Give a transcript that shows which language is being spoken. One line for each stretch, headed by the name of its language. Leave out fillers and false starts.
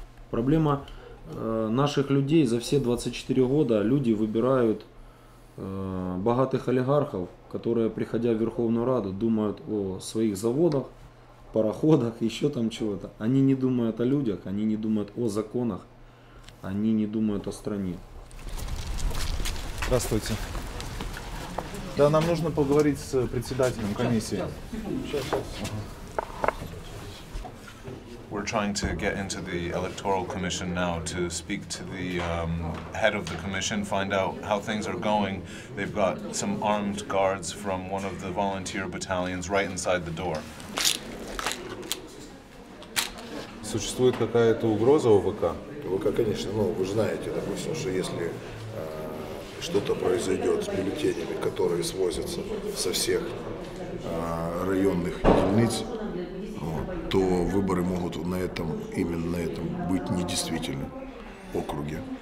Russian: Проблема наших людей, за все 24 года люди выбирают богатых олигархов, которые, приходя в Верховную Раду, думают о своих заводах, пароходах, еще там чего-то. Они не думают о людях, они не думают о законах, они не думают о стране. Здравствуйте. Да, нам нужно поговорить с председателем комиссии.
English: We're trying to get into the electoral commission now to speak to the head of the commission, find out how things are going. They've got some armed guards from one of the volunteer battalions right inside the door.
Russian: Существует какая-то угроза ОВК? ОВК, конечно, но вы знаете, допустим, что если что-то произойдет с бюллетенями, которые свозятся со всех районных единиц, вот, то выборы могут именно на этом быть недействительны в округе.